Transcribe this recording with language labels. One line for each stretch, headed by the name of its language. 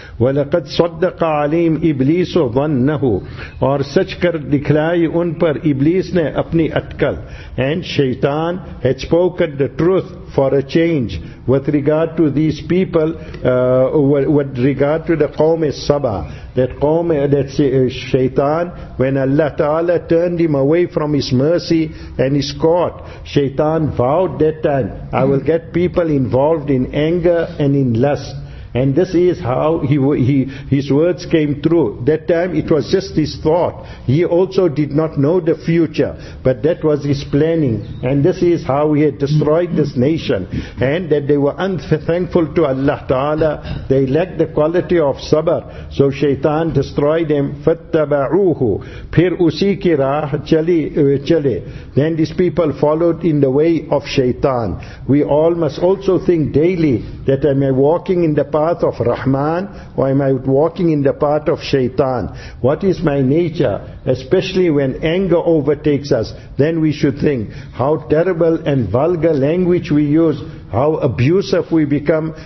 Arabic: وَلَقَدْ صَدَّقَ عَلِيمْ إِبْلِيسُ وَنَّهُ
Urdu: اور سچ کر دکھلائی ان پر ابلیس نے اپنی Utkal.
English: And Shaitan had spoken the truth for a change with regard to these people, with regard to the Qawm of Saba. That Qawm, that Shaitan, when Allah Ta'ala turned him away from his mercy and his court, Shaitan vowed that time, I will get people involved in anger and in lust. And this is how his words came through. That time it was just his thought. He also did not know the future, but that was his planning. And this is how he had destroyed this nation. And that they were unthankful to Allah Ta'ala. They lacked the quality of sabr. So Shaitan destroyed them.
Arabic: فَتَّبَعُوهُ
Urdu: پھر اسی کی راہ چلے.
English: Then these people followed in the way of Shaitan. We all must also think daily that am I walking in the path of Rahman or am I walking in the path of Shaitan? What is my nature? Especially when anger overtakes us, then we should think how terrible and vulgar language we use, how abusive we become.